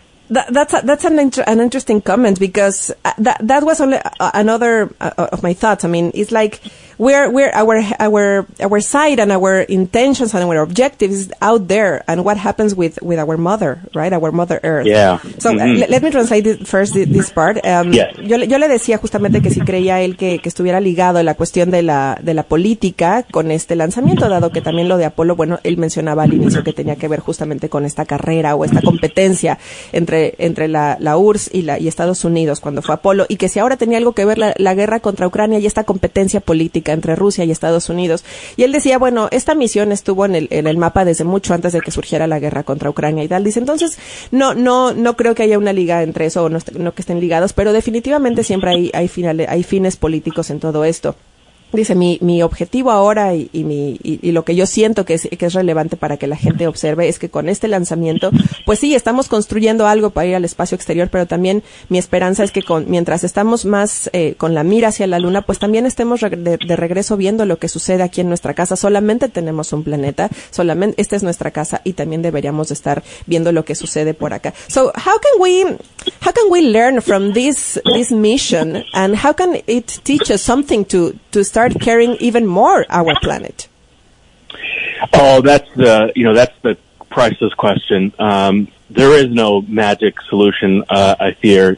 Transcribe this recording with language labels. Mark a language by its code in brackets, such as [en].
[en] That's an interesting comment, because that was only another of my thoughts. I mean, it's like our sight and our intentions and our objectives is out there, and what happens with our mother, right? Our mother Earth. Yeah. So let me translate this part. Yeah. [es] Yo le decía justamente que si creía él que estuviera ligado a la cuestión de la política con este lanzamiento, dado que también lo de Apolo, bueno, él mencionaba al inicio que tenía que ver justamente con esta carrera o esta competencia entre la URSS y Estados Unidos cuando fue Apolo, y que si ahora tenía algo que ver la guerra contra Ucrania y esta competencia política entre Rusia y Estados Unidos. Y él decía, bueno, esta misión estuvo en el mapa desde mucho antes de que surgiera la guerra contra Ucrania y tal. Dice, entonces, no creo que haya una liga entre eso, o no que estén ligados, pero definitivamente siempre hay fines políticos en todo esto. Dice, mi objetivo ahora y lo que yo siento que es relevante para que la gente observe es que con este lanzamiento, pues sí, estamos construyendo algo para ir al espacio exterior, pero también mi esperanza es que mientras estamos más con la mira hacia la luna, pues también estemos de regreso viendo lo que sucede aquí en nuestra casa. Solamente tenemos un planeta, solamente esta es nuestra casa, y también deberíamos estar viendo lo que sucede por acá. [en] So how can we learn from this mission, and how can it teach us something to start caring even more our planet? Oh, that's the, you know, that's the priceless question. There is no magic solution, I fear.